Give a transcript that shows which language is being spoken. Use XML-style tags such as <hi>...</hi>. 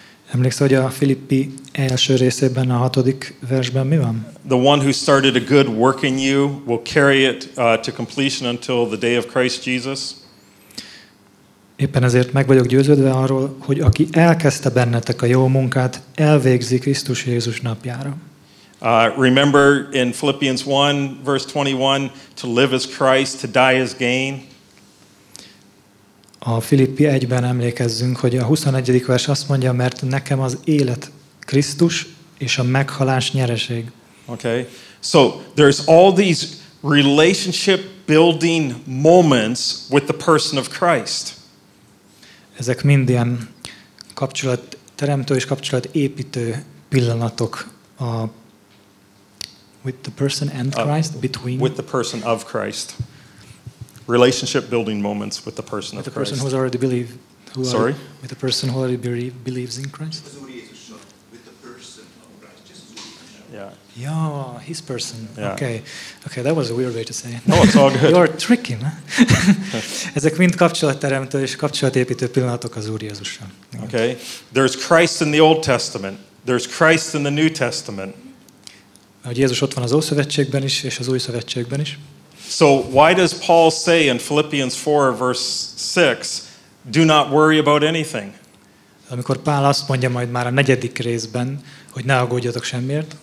<hu>Emlékszel, hogy a Filippi első részében, a hatodik versben mi van?</hu> <en>The one who started a good work in you will carry it to completion until the day of Christ Jesus.</en> <hu>Éppen ezért meg vagyok győződve arról, hogy aki elkezdte bennetek a jó munkát, elvégzi Krisztus Jézus napjára.</hu> <en>Remember in Philippians 1, verse 21, to live is Christ, to die is gain.</en> <hu>A Filippi 1-ben emlékezzünk, hogy a 21. vers azt mondja, mert nekem az élet Krisztus és a meghalás nyereség.</hu> <en>Okay. So there's all these relationship building moments with the person of Christ.</en> <hu>Ezek mind ilyen kapcsolat teremtő és kapcsolat építő pillanatok a</hu> <en>with the person and Christ between with the person of Christ. Relationship building moments with the person of Christ. With the person with the person who already believes in Christ. With the person of Christ. Yeah. Yeah, his person. Yeah. Okay. Okay, that was a weird way to say. No, it's all good. You're tricky, man.</en> <hu>Ezek mind kapcsolatteremtő és kapcsolatépítő pillanatok az Úr Jézussal.</hu> <en>Okay. There's Christ in the Old Testament. There's Christ in the New Testament.</en> <hu>Hogy Jézus ott van az Ószövetségben is és az Új Szövetségben is.</hu> <en>So why does Paul say in Philippians 4 verse 6, do not worry about anything?</en> <hu>Amikor Pál azt mondja majd már a negyedik részben, hogy ne aggódjatok semmiért.</hu>